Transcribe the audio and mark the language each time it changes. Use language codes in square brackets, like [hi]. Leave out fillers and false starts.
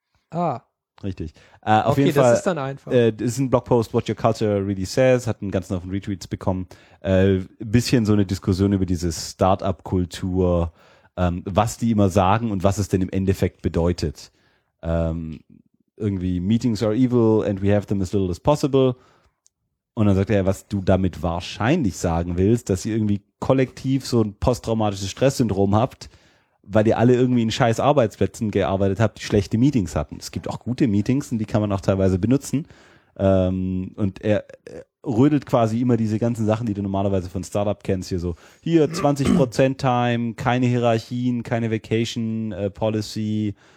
[de] Ah. Richtig. Okay, jeden Fall, das ist dann einfach. Das ist ein Blogpost, What Your Culture Really Says, hat einen ganzen Haufen Retweets bekommen. Bisschen so eine Diskussion über diese Startup-Kultur, was die immer sagen und was es denn im Endeffekt bedeutet. [en] Irgendwie, Meetings are evil and we have them as little as possible. [de] Und dann sagt er, was du damit wahrscheinlich sagen willst, dass ihr irgendwie kollektiv so ein posttraumatisches Stresssyndrom habt, weil ihr alle irgendwie in scheiß Arbeitsplätzen gearbeitet habt, die schlechte Meetings hatten. Es gibt auch gute Meetings und die kann man auch teilweise benutzen. Und er rödelt quasi immer diese ganzen Sachen, die du normalerweise von Startup kennst, hier so, hier 20% Time, keine Hierarchien, keine Vacation Policy,